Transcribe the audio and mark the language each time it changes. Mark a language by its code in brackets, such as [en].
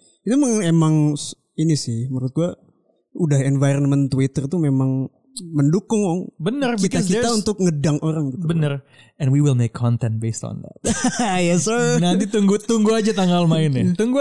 [id] Itu emang ini sih menurut gue udah environment Twitter tuh memang mendukung. Bener. Kita untuk ngedang orang gitu. Bener. [en] And we will make content based on that. Yes sir. [id] Nanti tunggu aja tanggal mainnya.